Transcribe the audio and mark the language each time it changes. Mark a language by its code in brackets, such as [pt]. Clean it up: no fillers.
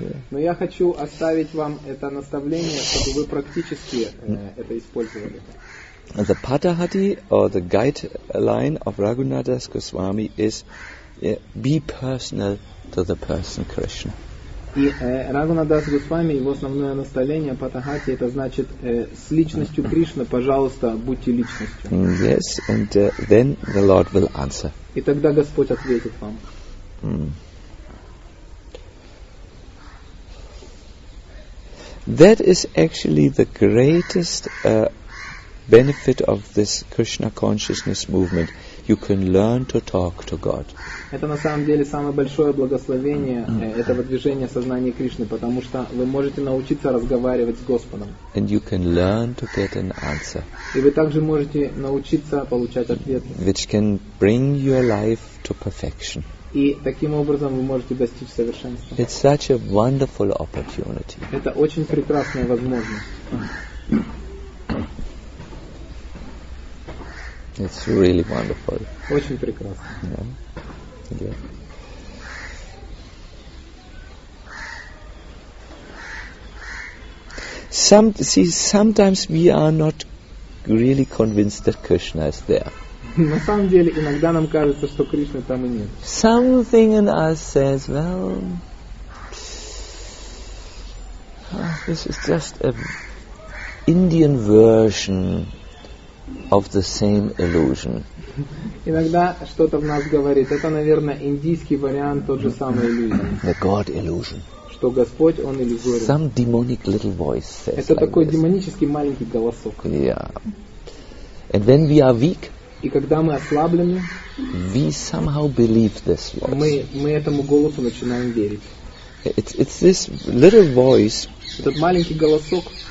[ru] Но я хочу оставить вам это наставление, чтобы вы практически это использовали. [en] The Patahati or the guideline of Raghunath Das Goswami is be personal to the person Krishna. [ru] И Раghunath Das Goswami, его основное наставление Патахати, это значит с личностью Кришны, пожалуйста, будьте личностью. [en] Yes, and then the Lord will answer. [ru] И тогда Господь ответит вам. [en] That is actually the greatest benefit of this Krishna consciousness movement, you can learn to talk to God. [ru] Это на самом деле самое большое благословение этого движения сознания Кришны, потому что вы можете научиться разговаривать с Господом. [en] And you can learn to get an answer. [ru] И вы также можете научиться получать ответ. [en] Which can bring your life to perfection. [ru] И таким образом вы можете достичь совершенства. [en] It's such a wonderful opportunity. [ru] Это очень прекрасная возможность. [en] It's really wonderful. [ru] Очень прекрасно. [en] Yeah. Yeah. Sometimes we are not really convinced that Krishna is there. [ru] На самом деле, иногда нам кажется, что Кришны там и нет. [en] Something in us says, well, this is just an Indian version of the same illusion. [ru] Иногда что-то в нас говорит, это, наверное, индийский вариант тот же самой иллюзии. [en] The God illusion. [ru] Что Господь, Он иллюзорен. [en] Some demonic little voice says [ru] это [en] like [ru] такой [en] this. [ru] Демонический маленький голосок. [en] Yeah. And when we are weak, [ru] и когда мы ослаблены, [en] we somehow believe this voice. [ru] Мы этому голосу начинаем верить. [en] It's this little voice, [ru] этот маленький голосок,